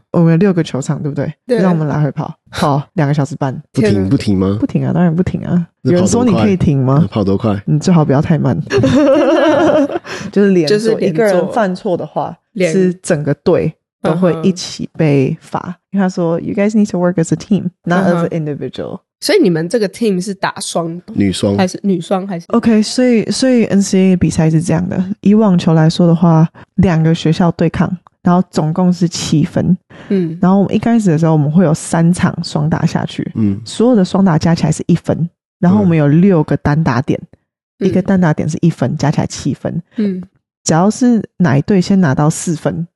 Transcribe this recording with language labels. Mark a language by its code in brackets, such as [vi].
[zh] 我们有6个球场，对不对，对，让我们来回跑2个小时半，不停不停吗，不停啊，当然不停啊，有人说你可以停吗，跑多快，你最好不要太慢就是连坐、就是、一个人犯错的话是整个队都会一起被罚、 uh-huh. 因为他说 [en] You guys need to work as a team not as an individual、 uh-huh. [zh] 所以你们这个 team 是打双女双还是女双还是 [en] OK？ [zh] 所以 NCAA 比赛是这样的，以网球来说的话，两个学校对抗，然后总共是七分，嗯，然后我们一开始的时候我们会有三场双打下去，嗯，所有的双打加起来是一分，然后我们有六个单打点，嗯，一个单打点是一分，加起来七分，嗯，只要是哪一队先拿到四分